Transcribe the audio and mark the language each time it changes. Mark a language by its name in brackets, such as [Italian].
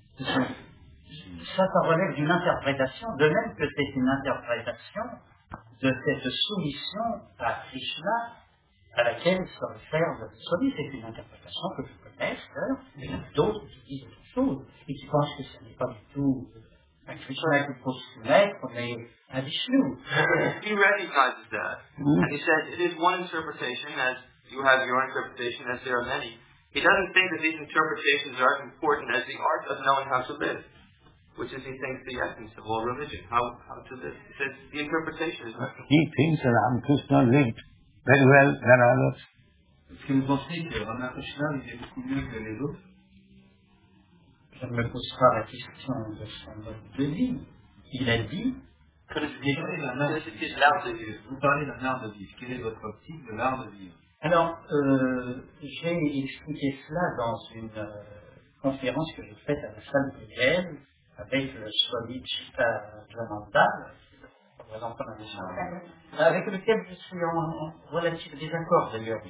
[French] Ça relève d'une interprétation, de même que c'est une interprétation de cette soumission à Krishna à laquelle se réfère le soumis. C'est une interprétation que je connais, mais il y a d'autres qui disent autre chose et qui pensent que ce n'est pas du tout un Krishna qui peut soumettre, mais un Vishnu. [English] He recognizes that. He says it is one interpretation as you have your interpretation, as there are many. He doesn't think that these interpretations are as important as the art of knowing how to live, which is, he thinks, the essence of all religion, how to live. He says the interpretation is... He thinks that Ramakrishna lived very well than others. [French] Est-ce que vous pensez que Ramakrishna vivait beaucoup mieux que les autres? Je ne me pose pas la question de son mode de vie. Il a dit, vous parlez d'un art de vivre. Quelle est votre optique de l'art de vivre? Alors, j'ai expliqué cela dans une conférence que j'ai faite à la salle de Vienne avec le Swami Chittananda, avec lequel je suis en relatif désaccord d'ailleurs.